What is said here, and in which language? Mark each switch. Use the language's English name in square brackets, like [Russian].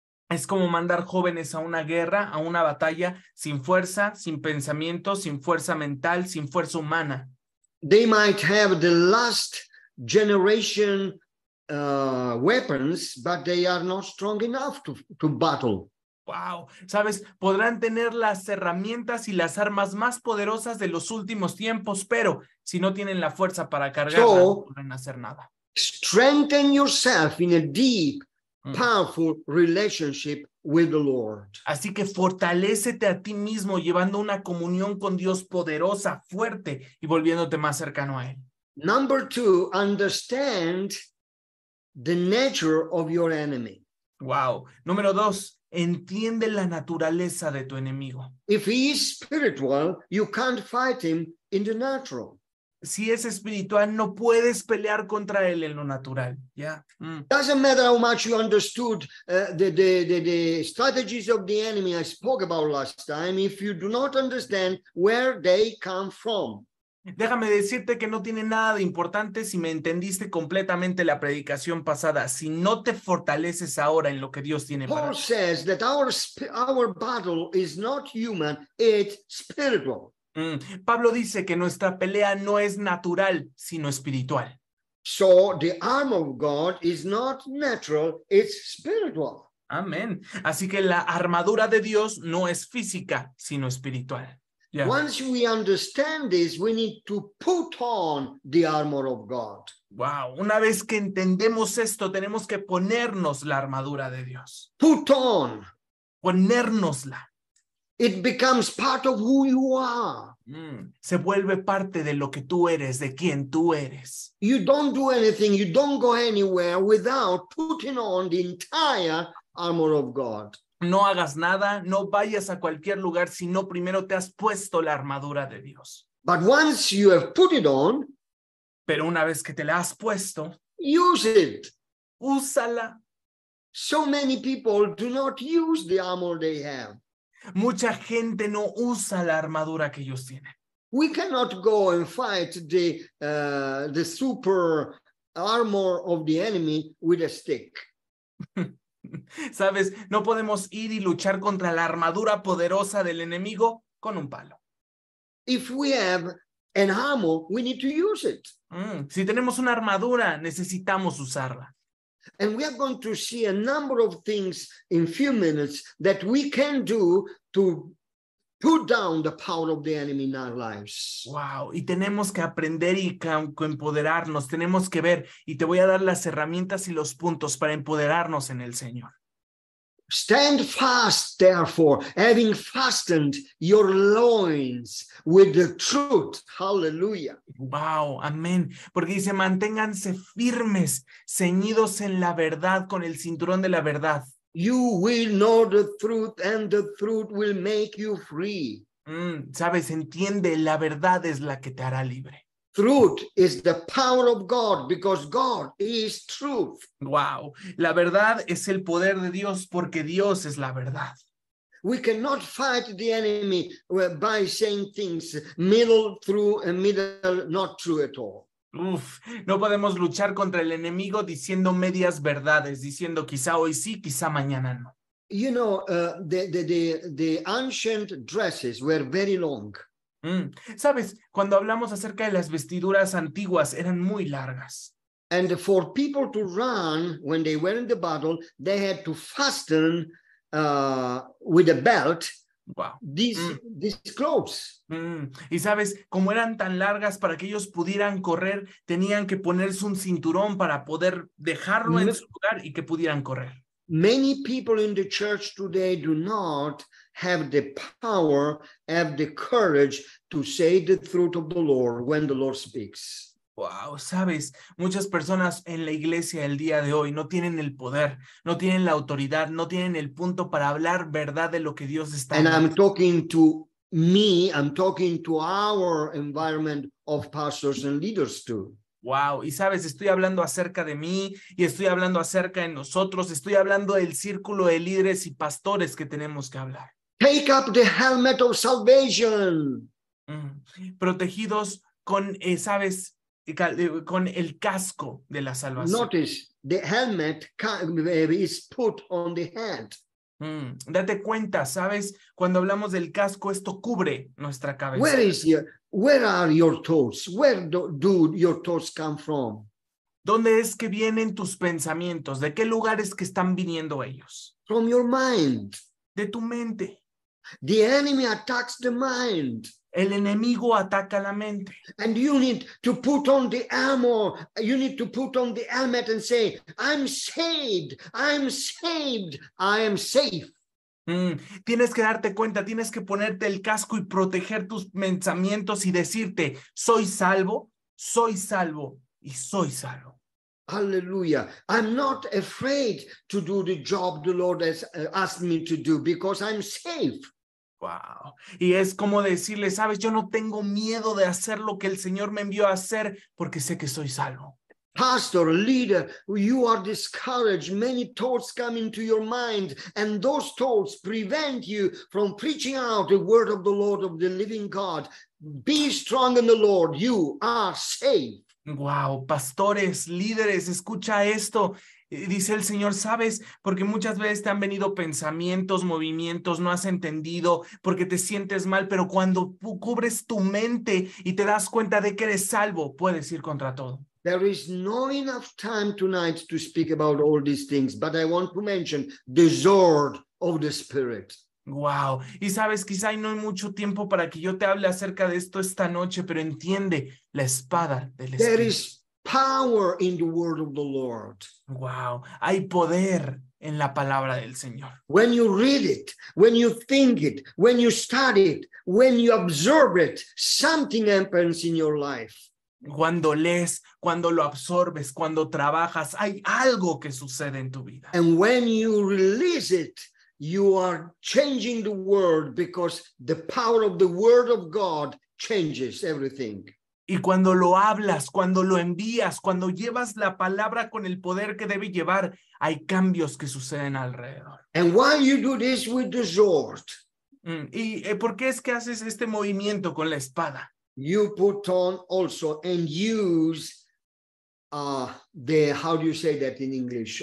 [Spanish] Es como mandar jóvenes a una guerra, a una batalla, sin fuerza, sin pensamiento, sin fuerza mental, sin fuerza humana. [English] They might have the last generation weapons, but they are not strong enough to battle. [Spanish] Wow, sabes, podrán tener las herramientas y las armas más poderosas de los últimos tiempos, pero si no tienen la fuerza para cargarla, no podrán hacer nada. [English] Strengthen yourself in a deep, powerful relationship with the Lord. [Spanish] Así que fortalécete a ti mismo llevando una comunión con Dios poderosa, fuerte y volviéndote más cercano a Él. [English] Number two, understand the nature of your enemy. Wow. [Spanish] Número dos, entiende la naturaleza de tu enemigo. [English] If he is spiritual, you can't fight him in the natural. [Spanish] Si es espiritual, no puedes pelear contra él en lo natural. Yeah. [English] Doesn't matter how much you understood the strategies of the enemy I spoke about last time, if you do not understand where they come from. [Spanish] Déjame decirte que no tiene nada de importante si me entendiste completamente la predicación pasada, si no te fortaleces ahora en lo que Dios tiene para ti. [English] Paul says that our battle is not human, it's spiritual. [Spanish] Pablo dice que nuestra pelea no es natural, sino espiritual. [English] So the armor of God is not natural, it's spiritual. [Spanish] Amén. Así que la armadura de Dios no es física, sino espiritual. Yeah. [English] Once we understand this, we need to put on the armor of God. [Spanish] Wow, una vez que entendemos esto, tenemos que ponernos la armadura de Dios. [English] Put on. [Spanish] Ponérnosla. [English] It becomes part of who you are. [Spanish] Se vuelve parte de lo que tú eres, de quien tú eres. [English] You don't do anything, you don't go anywhere without putting on the entire armor of God. [Spanish] No hagas nada, no vayas a cualquier lugar si no primero te has puesto la armadura de Dios. [English] But once you have put it on, [Spanish] pero una vez que te la has puesto, [English] use it. [Spanish] Úsala. [English] So many people do not use the armor they have. [Spanish] Mucha gente no usa la armadura que ellos tienen. [English] We cannot go and fight the super armor of the enemy with a stick. [Spanish] Sabes, no podemos ir y luchar contra la armadura poderosa del enemigo con un palo. [English] If we have an ammo, we need to use it. [Spanish] Si tenemos una armadura, necesitamos usarla. [English] And we are going to see a number of things in a few minutes that we can do to put down the power of the enemy in our lives. [Spanish] Wow, y tenemos que aprender y empoderarnos, tenemos que ver, y te voy a dar las herramientas y los puntos para empoderarnos en el Señor. [English] Stand fast, therefore, having fastened your loins with the truth. Hallelujah. [Spanish] Wow, amén. Porque dice, manténganse firmes, ceñidos en la verdad, con el cinturón de la verdad. [English] You will know the truth, and the truth will make you free. [Spanish] Sabes, entiende, la verdad es la que te hará libre. [English] Truth is the power of God, because God is truth. [Spanish] Wow, la verdad es el poder de Dios, porque Dios es la verdad. [English] We cannot fight the enemy by saying things middle through and middle not true at all. [Spanish] Uf, no podemos luchar contra el enemigo diciendo medias verdades, diciendo quizá hoy sí, quizá mañana no. [English] You know, the ancient dresses were very long. [Spanish] Sabes, cuando hablamos acerca de las vestiduras antiguas, eran muy largas. [English] And for people to run when they were in the battle, they had to fasten with a belt. Wow. These clothes. [Spanish] Y sabes, como eran tan largas, para que ellos pudieran correr, tenían que ponerse un cinturón para poder dejarlo en su lugar y que pudieran correr. [English] Many people in the church today do not have the power, have the courage to say the truth of the Lord when the Lord speaks. [Spanish] Wow, sabes, muchas personas en la iglesia el día de hoy no tienen el poder, no tienen la autoridad, no tienen el punto para hablar verdad de lo que Dios está hablando. [English] And I'm talking to me, I'm talking to our environment of pastors and leaders too. [Spanish] Wow, y sabes, estoy hablando acerca de mí y estoy hablando acerca de nosotros, estoy hablando del círculo de líderes y pastores que tenemos que hablar. [English] Take up the helmet of salvation. [Spanish] Protegidos con, sabes, con el casco de la salvación. [English] Notice, the helmet is put on the head. [Spanish] Date cuenta, sabes, cuando hablamos del casco, esto cubre nuestra cabeza. [English] Where is your, where are your thoughts? Where do your thoughts come from? [Spanish] ¿Dónde es que vienen tus pensamientos? ¿De qué lugares que están viniendo ellos? [English] From your mind. [Spanish] De tu mente. [English] The enemy attacks the mind. [Spanish] El enemigo ataca la mente. [English] And you need to put on the armor. You need to put on the helmet and say, I'm saved. I'm saved. I am safe. [Spanish] Tienes que darte cuenta. Tienes que ponerte el casco y proteger tus pensamientos y decirte, soy salvo, soy salvo y soy salvo. Hallelujah. [English] I'm not afraid to do the job the Lord has asked me to do because I'm safe. Wow. [Spanish] Y es como decirle, sabes, yo no tengo miedo de hacer lo que el Señor me envió a hacer porque sé que soy salvo. [English] Pastor, leader, you are discouraged. Many thoughts come into your mind and those thoughts prevent you from preaching out the word of the Lord, of the living God. Be strong in the Lord. You are saved. [Spanish] Wow. Pastores, líderes, escucha esto. Dice el Señor, ¿sabes? Porque muchas veces te han venido pensamientos, movimientos, no has entendido, porque te sientes mal, pero cuando cubres tu mente y te das cuenta de que eres salvo, puedes ir contra todo. [English] There is no enough time tonight to speak about all these things, but I want to mention the sword of the Spirit. Wow. [Spanish] Y sabes, quizá no hay mucho tiempo para que yo te hable acerca de esto esta noche, pero entiende, la espada del Espíritu. [English] There is power in the word of the Lord. [Spanish] Wow, hay poder en la palabra del Señor. [English] When you read it, when you think it, when you study it, when you absorb it, something happens in your life. [Spanish] Cuando lees, cuando lo absorbes, cuando trabajas, hay algo que sucede en tu vida. [English] And when you release it, you are changing the world because the power of the word of God changes everything. [Spanish] Y cuando lo hablas, cuando lo envías, cuando llevas la palabra con el poder que debe llevar, hay cambios que suceden alrededor. [English] And why you do this with the sword? [Spanish] ¿Y por qué es que haces este movimiento con la espada? [English] You put on also and use the how do you say that in English?